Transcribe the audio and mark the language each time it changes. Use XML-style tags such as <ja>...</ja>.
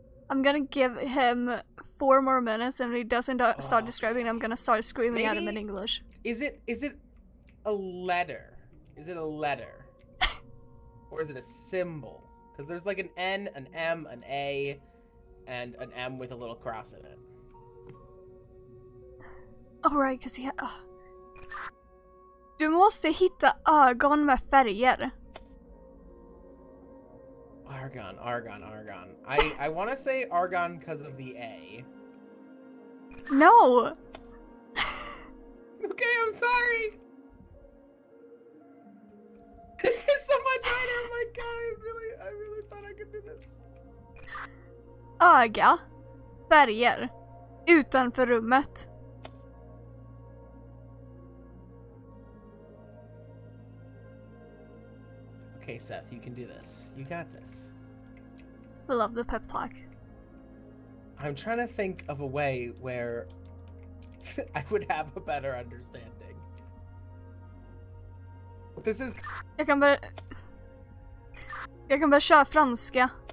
<en>I'm gonna give him 4 more minutes and if he doesn't start describing, I'm gonna start screaming at him in English. Is it a letter? Is it a letter? Or is it a symbol? Because there's like an N, an M, an A, and an M with a little cross in it. Oh, right, because he ha-</en> <sv>Du måste hitta ögon med färger.</sv> <en>Argon. I want to say argon because of the A. No! Okay, I'm sorry! This is so much harder, oh my god, I really thought I could do this.</en> <sv>Öga. Färger. Utanför rummet.</sv> <en>Okay, Seth, you can do this. You got this. I love the pep talk. I'm trying to think of a way where I would have a better understanding. This is...</en> <sv>Jag kan bara köra franska.</sv>